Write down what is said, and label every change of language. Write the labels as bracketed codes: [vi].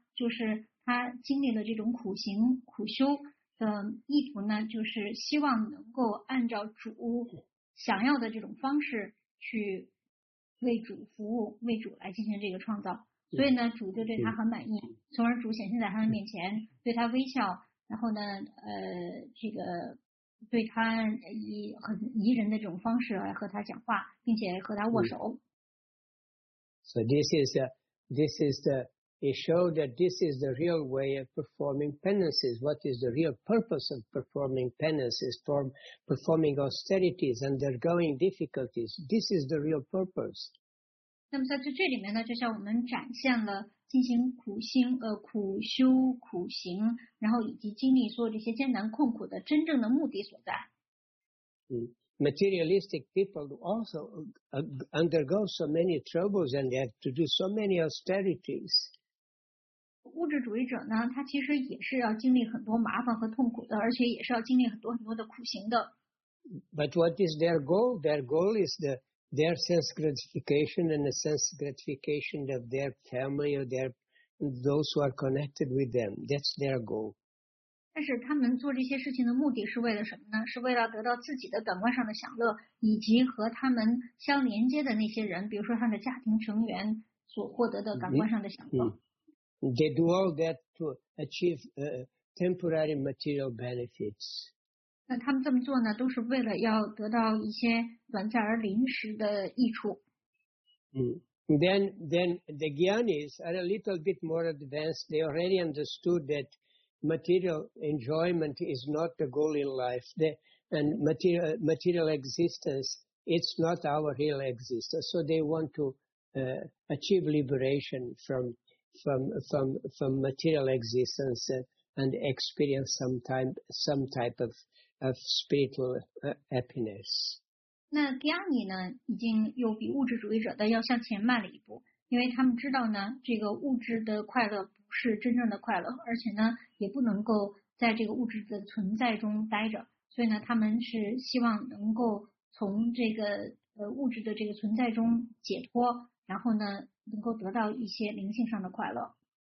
[zh] 就是他经历了这种苦行苦修的意图呢，就是希望能够按照主想要的这种方式去为主服务，为主来进行这个创造。所以呢，主就对他很满意，从而主显现在他的面前，对他微笑。然后呢，这个对他以很宜人的这种方式来和他讲话，并且和他握手。 [en] So this is the it showed that this is the real way of performing penances. What is the real purpose of performing penances? Performing austerities, undergoing difficulties. This is the real purpose. [zh] 那么在这里面呢，就像我们展现了。进行苦行苦修苦行，然后以及经历所有这些艰难困苦的真正的目的所在。 [en] Materialistic people also undergo so many troubles and they have to do so many austerities. [zh] 物质主义者呢，他其实也是要经历很多麻烦和痛苦的，而且也是要经历很多很多的苦行的。 [en] But what is their goal? Their goal is their sense gratification and the sense gratification of their family or those who are connected with them. That's their goal. [zh] 但是他们做这些事情的目的是为了什么呢？是为了得到自己的感官上的享乐，以及和他们相连接的那些人，比如说他们的家庭成员所获得的感官上的享乐。 [en] They do all that to achieve temporary material benefits. [zh] 那他们这么做呢，都是为了要得到一些短暂而临时的益处。 [en] Then the gyanis are a little bit more advanced. They already understood that material enjoyment is not the goal in life. And material existence, it's not our real existence. So they want to achieve liberation from material existence and experience some type of spiritual happiness. [zh] 那 Gyani 呢，已经又比物质主义者的要向前迈了一步，因为他们知道呢，这个物质的快乐不是真正的快乐，而且呢，也不能够在这个物质的存在中待着，所以呢，他们是希望能够从这个物质的这个存在中解脱，然后呢，能够得到一些灵性上的快乐。